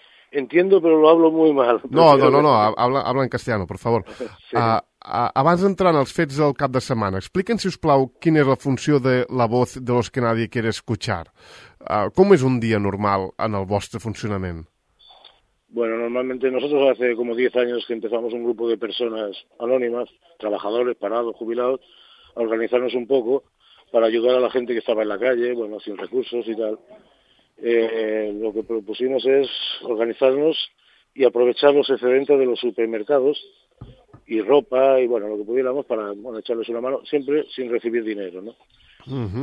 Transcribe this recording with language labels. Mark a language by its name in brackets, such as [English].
[Spanish] Entiendo, pero lo hablo muy mal. No, habla en castellano, por favor. Sí. [Catalan] Abans d'entrar en els fets del cap de setmana, explica'ns, si us plau, quina és la funció de La Voz de los que Nadie Quiere Escuchar. ¿Com és un dia normal en el vostre funcionament? [Spanish] Bueno, normalmente nosotros hace como 10 años que empezamos un grupo de personas anónimas, trabajadores, parados, jubilados, a organizarnos un poco para ayudar a la gente que estaba en la calle, bueno, sin recursos y tal. Lo que propusimos es organizarnos y aprovechar los excedentes de los supermercados y ropa y bueno, lo que pudiéramos para, bueno, echarles una mano, siempre sin recibir dinero, ¿no? Uh-huh.